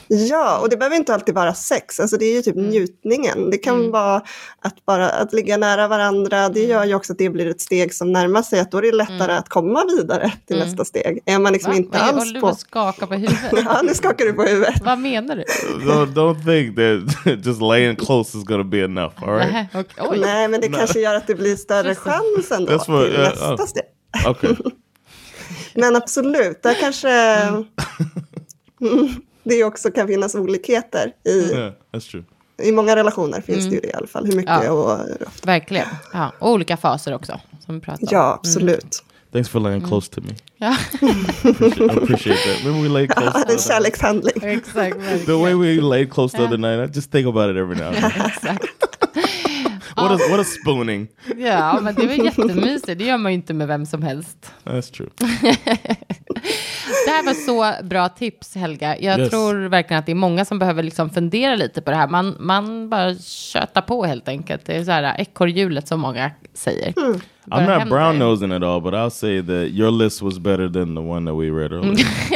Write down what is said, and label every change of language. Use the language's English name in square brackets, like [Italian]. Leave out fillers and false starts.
[Swedish] Ja, och det behöver inte alltid vara sex. Alltså det är ju typ njutningen. Det kan vara att bara att ligga nära varandra. Det gör ju också att det blir ett steg som närmar sig. Att då är det lättare att komma vidare till nästa steg. Är man liksom inte alls på... Vad skakar på huvudet? Ja, nu skakar du på huvudet. Vad menar du? [English] Don't think that just laying close is gonna be enough, all right? [Swedish] Nej, men det kanske gör att det blir större chans ändå till nästa steg. Okej. Men absolut, där kanske det också kan finnas olikheter i, [English] That's true. [Swedish] I många relationer finns det ju det i alla fall, hur mycket och verkligen, och olika faser också som vi pratar om. Ja, absolut. [English] Thanks for laying close to me. I appreciate that. Maybe we lay close to the kärlekshandling. [Swedish] Exakt. [English] The way we laid close to the night, I just think about it every now and then. What a spooning. [Swedish] Ja, men det var jättemysigt. Det gör man ju inte med vem som helst. [English] That's true. [Swedish] Det här var så bra tips, Helga. Jag tror verkligen att det är många som behöver liksom fundera lite på det här. Man bara tjötar på helt enkelt. Det är så här ekorrhjulet som många säger. [English] I'm not brown nosing at all, but I'll say that your list was better than the one that we read earlier.